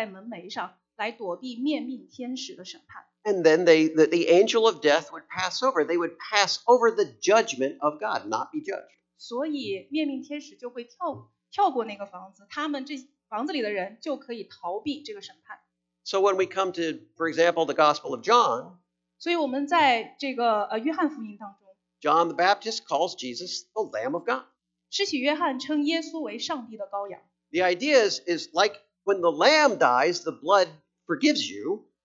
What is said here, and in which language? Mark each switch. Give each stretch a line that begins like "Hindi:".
Chinese: 所以在出埃及记的时候，大家都熟悉，他们将献祭羔羊的血会涂在门楣上，来躲避面命天使的审判。
English: And then the angel of death would pass over. They would pass over the judgment of God, not be judged.
Chinese: 所以面命天使就会跳过那个房子，他们这房子里的人就可以逃避这个审判。
English: So when we come to, for example, the Gospel of John,
Chinese: 所以我们在这个约翰福音当中，
English: John the Baptist calls Jesus the Lamb of God.
Chinese: 施洗约翰称耶稣为上帝的羔羊。
English: The idea is like when the lamb dies, the blood forgives you.